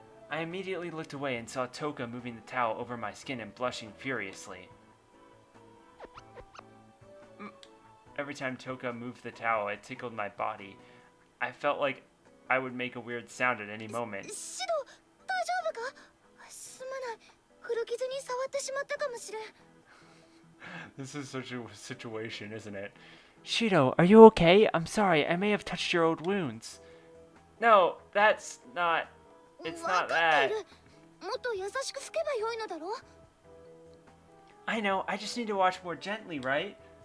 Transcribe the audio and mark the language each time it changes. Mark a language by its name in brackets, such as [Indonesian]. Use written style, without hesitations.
[English] I immediately looked away and saw Toka moving the towel over my skin and blushing furiously. Every time Toka moved the towel, it tickled my body. I felt like I would make a weird sound at any moment. [Japanese] Shido, 大丈夫か?すまない. 古傷に触ってしまったかもしれん. [English] This is such a situation, isn't it? Shido, are you okay? I'm sorry, I may have touched your old wounds. No, that's not... It's not that. I know, I just need to watch more gently, right?